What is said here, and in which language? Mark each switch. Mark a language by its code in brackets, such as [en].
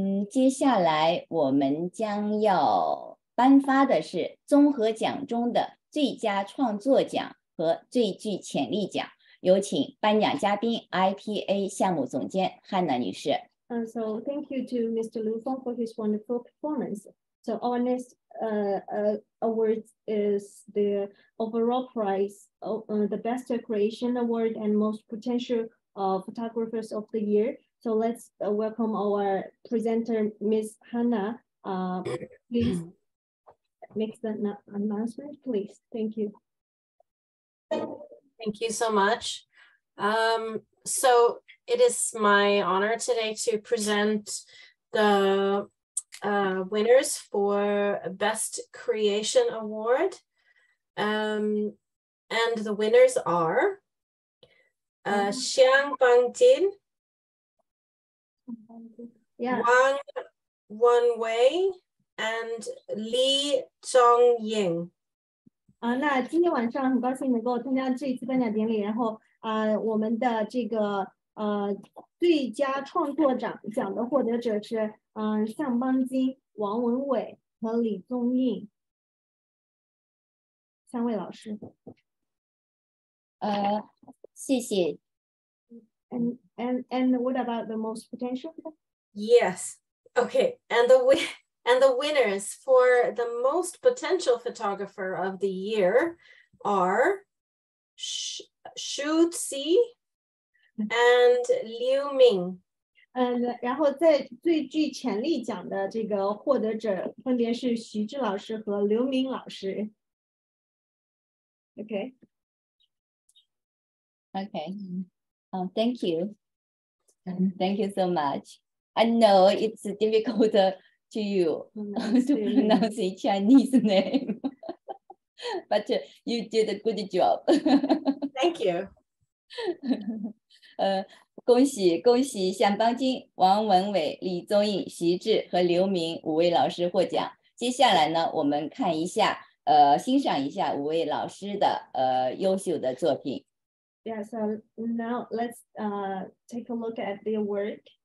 [zh] 接下来我们将要颁发的是综合奖中的最佳创作奖和最具潜力奖。有请颁奖嘉宾 IPA 项目总监汉娜女士。 [en] So thank you to Mr. Liu Feng for his wonderful performance. So our next award is the overall prize, the best creation award and most potential photographers of the year. So let's welcome our presenter, Ms. Hannah. Please make the announcement, please. Thank you. Thank you so much. So it is my honor today to present the winners for Best Creation Award. And the winners are Xiang Bangjin, Wang Wenwei, and Li Zhongying. [zh] 那今天晚上很高兴能够参加这一次颁奖典礼，然后我们的这个最佳创作奖的获得者是向邦金、王文伟和李宗印三位老师。谢谢。 [en] And what about the most potential? Yes. Okay. And the winners for the most potential photographer of the year are Shu Xi and Liu Ming. [zh] 然后在最具潜力奖的这个获得者分别是徐志老师和刘明老师。 Okay. [en] Okay. Thank you. Thank you so much. I know it's difficult to you to pronounce a Chinese name, but you did a good job. Thank you. [zh] 恭喜向邦金、王文伟、李宗印、徐志和刘明五位老师获奖。接下来呢，我们看一下，欣赏一下五位老师的优秀的作品。 [en] Yeah, so now let's take a look at their work.